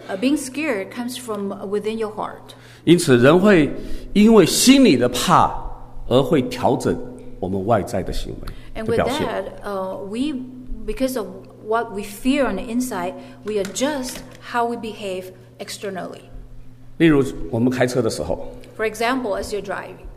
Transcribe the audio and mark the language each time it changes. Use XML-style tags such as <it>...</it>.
<en>Being scared comes from within your heart.</en> <zh>因此，人会因为心里的怕而会调整我们外在的行为的表现。</zh> <en>And with that, because of what we fear on the inside, we adjust how we behave externally.</en> <zh>例如我们开车的时候</zh> <en>For example, as you drive</en>